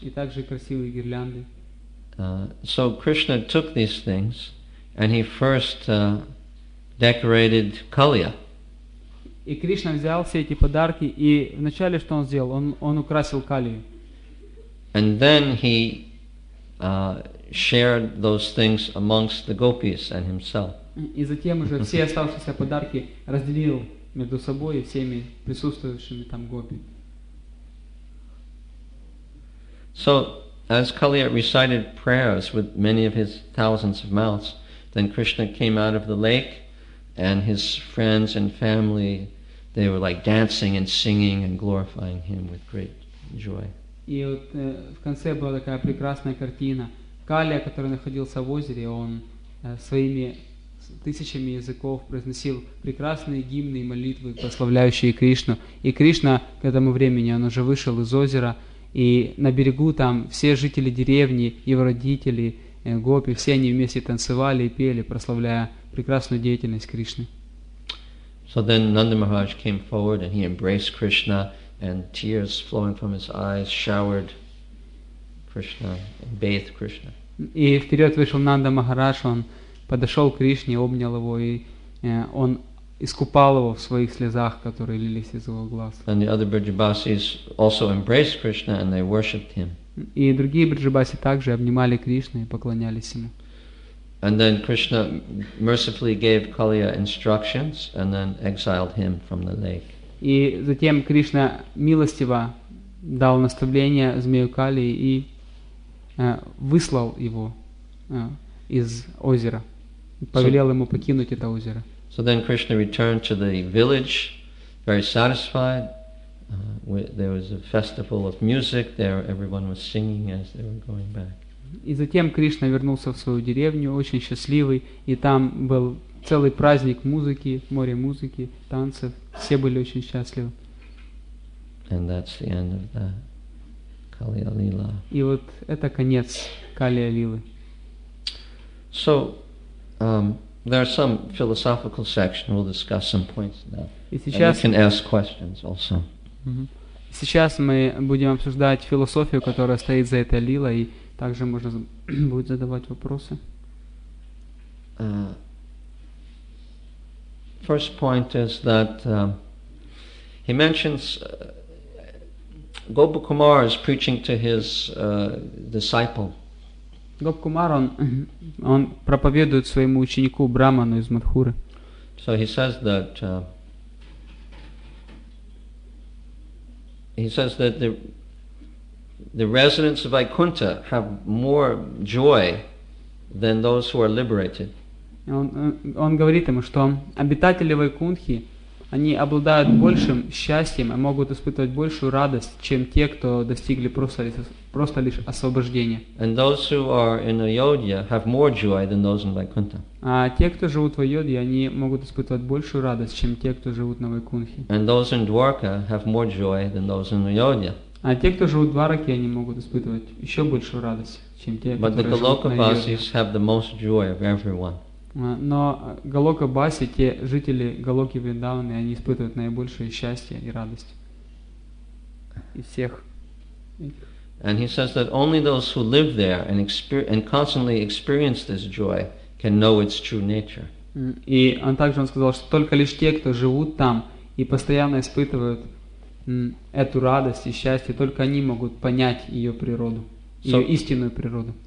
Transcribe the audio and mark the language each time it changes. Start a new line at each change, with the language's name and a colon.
Russian: И также красивые гирлянды.
English: So Krishna took these things And he first decorated Kalia.
Russian: И Кришна взял все эти подарки, и вначале что он сделал? Он украсил Калию.
English: And then he shared those things amongst the gopis and himself.
Russian: И затем уже все оставшиеся подарки разделил между собой и всеми присутствующими там гопи.
English: So, as Kaliya recited prayers with many of his thousands of mouths, then Krishna came out of the lake, and his friends and family, they were like dancing and singing and glorifying him with great joy.
Russian: И вот в конце была такая прекрасная картина. Калия, который находился в озере, он своими тысячами языков произносил прекрасные гимны и молитвы, прославляющие Кришну. И Кришна к этому времени, он уже вышел из озера, и на берегу там все жители деревни, его родители, гопи, все они вместе танцевали и пели, прославляя прекрасную деятельность Кришны.
English: So then Nanda Maharaj came forward and he embraced Krishna, and tears flowing from his eyes showered Krishna, bathed Krishna.
Russian: И вперед вышел Нанда Махарадж, он подошел к Кришне, обнял его, и он искупал его в своих слезах, которые лились из его глаз.
English: And the other Brijabasis also embraced Krishna and they worshipped him.
Russian: И другие Бриджабаси также обнимали Кришну и поклонялись ему.
English: And then Krishna mercifully gave Kaliya instructions and then exiled him from the lake.
Russian: И затем Кришна милостиво дал наставление змею Кали и выслал его из озера, повелел ему покинуть это озеро.
English: So then Krishna returned to the village, very satisfied. There was a festival of music there, everyone was singing as they were going back.
Russian: И затем Кришна вернулся в свою деревню, очень счастливый, и там был целый праздник музыки, море музыки, танцев, все были очень счастливы.
English: And that's the end of the Kaliya Lila.
Russian: И вот это конец Kaliya Lila.
English: So, there are some philosophical sections, we'll discuss some points now.
Russian: И сейчас,
English: and you can ask questions also.
Russian: Сейчас мы будем обсуждать философию, которая стоит за этой лилой, и также можно будет задавать вопросы.
English: First point is that he mentions Gopakumar is preaching to his disciple.
Russian: Gopakumar, он проповедует своему ученику Браману из Мадхуры.
English: So he says that the residents of Vaikuntha have more joy than those who are liberated.
Russian: Он говорит ему, что обитатели Вайкунтхи, они обладают большим счастьем и могут испытывать большую радость, чем те, кто достигли просто лишь освобождения.
English: And those who are in Ayodhya have more joy than those in Vaikuntha.
Russian: А те, кто живут в Айодхе, они могут испытывать большую радость, чем те, кто живут на Вайкунтхе.
English: And those in Dwarka have more joy than those in Ayodhya.
Russian: А те, кто живут в Двараке, они могут испытывать еще большую радость, чем те,
English: but
Russian: которые живут на Ayodhya.
English: But the Galokavasis have the most joy of everyone.
Russian: Но Галокабаси, те жители Галоки Вриндаваны, они испытывают наибольшее счастье и радость из всех.
English: And he says that only those who live there and constantly experience this joy can know its true nature.
Russian: И он также сказал, что только лишь те, кто живут там и постоянно испытывают эту радость и счастье, только они могут понять ее природу, ее истинную природу.